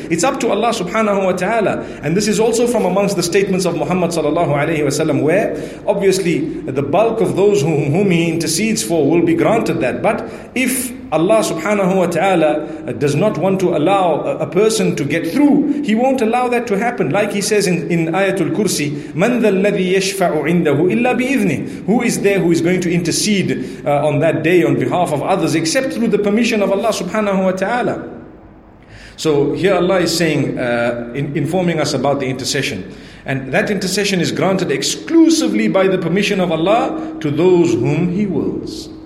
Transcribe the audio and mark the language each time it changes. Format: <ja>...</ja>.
<en>It's up to Allah subhanahu wa ta'ala. And this is also from amongst the statements of Muhammad sallallahu alayhi wa sallam, where obviously the bulk of those whom he intercedes for will be granted that. But if Allah subhanahu wa ta'ala does not want to allow a person to get through, He won't allow that to happen. Like He says in Ayatul Kursi,</en> <ar>مَنْ ذَا الَّذِي يَشْفَعُ عِنْدَهُ إِلَّا بِإِذْنِهِ.</ar> <en>Who is there who is going to intercede on that day on behalf of others except through the permission of Allah subhanahu wa ta'ala? So here Allah is saying, informing us about the intercession. And that intercession is granted exclusively by the permission of Allah to those whom He wills.</en>